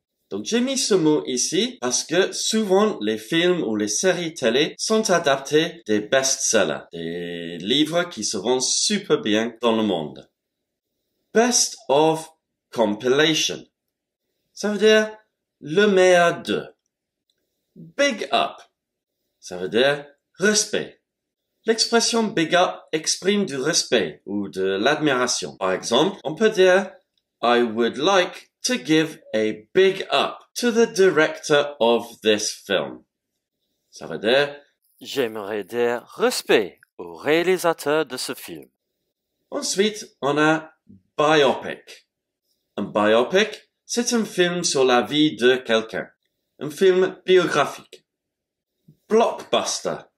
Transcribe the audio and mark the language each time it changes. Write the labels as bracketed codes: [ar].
[fr] Donc, j'ai mis ce mot ici parce que souvent, les films ou les séries télé sont adaptés des best-sellers, des livres qui se vendent super bien dans le monde. Best of compilation. Ça veut dire le meilleur de. Big up. Ça veut dire respect. L'expression big up exprime du respect ou de l'admiration. Par exemple, on peut dire [en] I would like to give a big up to the director of this film. [fr] Ça veut dire j'aimerais dire respect au réalisateur de ce film. Ensuite, on a biopic. Un biopic, c'est un film sur la vie de quelqu'un. Un film biographique. Blockbuster.